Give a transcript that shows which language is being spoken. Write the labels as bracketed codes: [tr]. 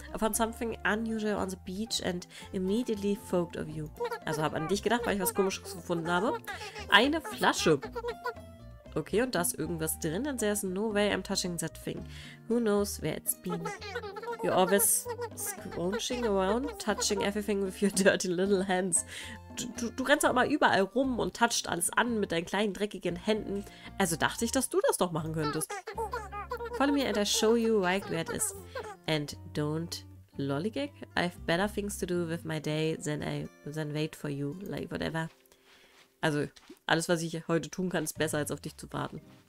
[en] I found something unusual on the beach and immediately thought of you. [de] Also habe an dich gedacht, weil ich was Komisches gefunden habe. Eine Flasche. Okay, und da ist irgendwas drin. [en] And there's no way I'm touching that thing. Who knows where it's been. You're always scrunching around, touching everything with your dirty little hands. [de] Du rennst auch immer überall rum und touchst alles an mit deinen kleinen dreckigen Händen. Also dachte ich, dass du das doch machen könntest. [en] Follow me and I show you right where it is. And don't lollygag. I've better things to do with my day than wait for you. Like whatever. [de] Also alles, was ich heute tun kann, ist besser als auf dich zu warten.